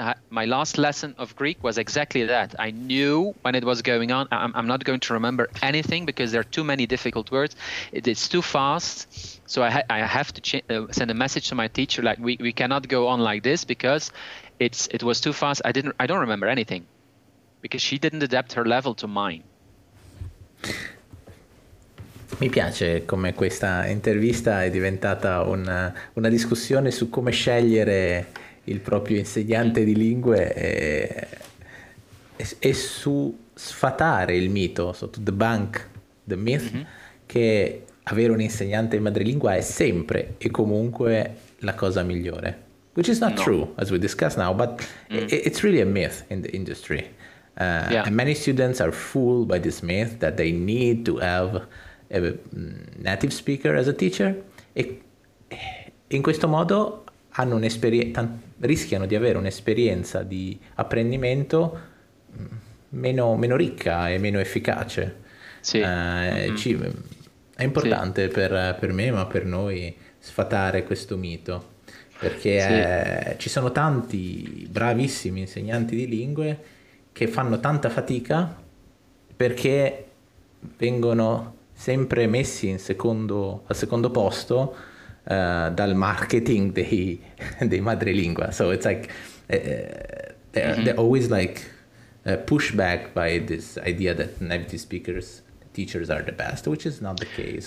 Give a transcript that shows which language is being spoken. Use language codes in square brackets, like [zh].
[en] My last lesson of Greek was exactly that. I knew when it was going on, I'm not going to remember anything because there are too many difficult words. It's too fast. So I have to send a message to my teacher, like, we cannot go on like this because it was too fast. I don't remember anything because she didn't adapt her level to mine. [it] Mi piace come questa intervista è diventata una discussione su come scegliere il proprio insegnante di lingue e su sfatare il mito, [en] so to debunk the myth, [it] che avere un insegnante madrelingua è sempre e comunque la cosa migliore. [en] Which is not true, as we discuss now, but it's really a myth in the industry. And many students are fooled by this myth that they need to have a native speaker as a teacher, [it] e in questo modo hanno rischiano di avere un'esperienza di apprendimento meno ricca e meno efficace. Sì. È importante per me, ma per noi, sfatare questo mito, perché ci sono tanti bravissimi insegnanti di lingue che fanno tanta fatica perché vengono sempre messi al secondo posto dal marketing dei madrelingua. [en] So it's like they're always like pushed back by this idea that native speakers, teachers are the best, which is not the case.